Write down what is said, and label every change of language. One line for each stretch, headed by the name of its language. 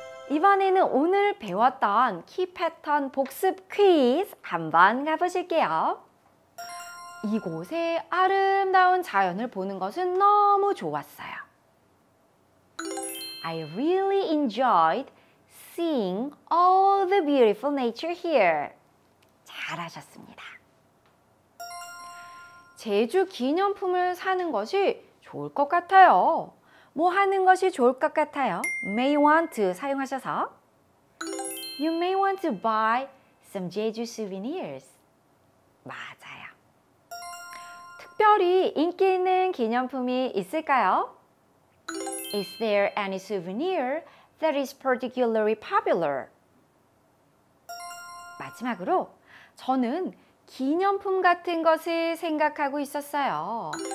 Korean: 이번에는 오늘 배웠던 키 패턴 복습 퀴즈 한번 가보실게요. 이곳의 아름다운 자연을 보는 것은 너무 좋았어요.
English: I really enjoyed seeing all the beautiful nature here.
Korean: 잘하셨습니다. 제주 기념품을 사는 것이 좋을 것 같아요. 뭐 하는 것이 좋을 것 같아요?
English: May want to
Korean: 사용하셔서
English: You may want to buy some Jeju souvenirs.
Korean: 맞아요. 특별히 인기 있는 기념품이 있을까요?
English: Is there any souvenir that is particularly popular?
Korean: 마지막으로 저는 기념품 같은 것을 생각하고 있었어요.